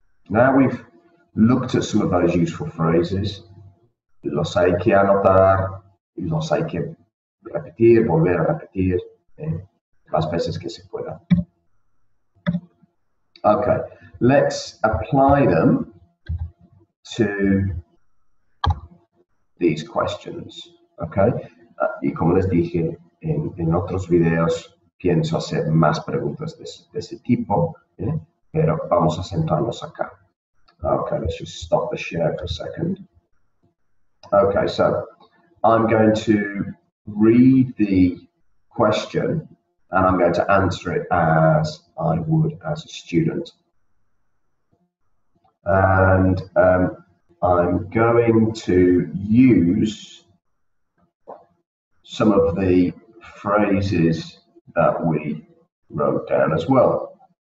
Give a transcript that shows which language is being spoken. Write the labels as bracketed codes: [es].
[en] Now we've looked at some of those useful phrases. [es] Los hay que anotar, los hay que repetir, volver a repetir, las veces que se pueda. [en] Okay, let's apply them to these questions, okay? [es] Y como les dije en otros videos, pienso hacer más preguntas de ese tipo, pero vamos a centrarnos acá. [en] Okay, let's just stop the share for a second. Okay, so I'm going to read the question and I'm going to answer it as I would as a student. And I'm going to use some of the phrases that we wrote down as well.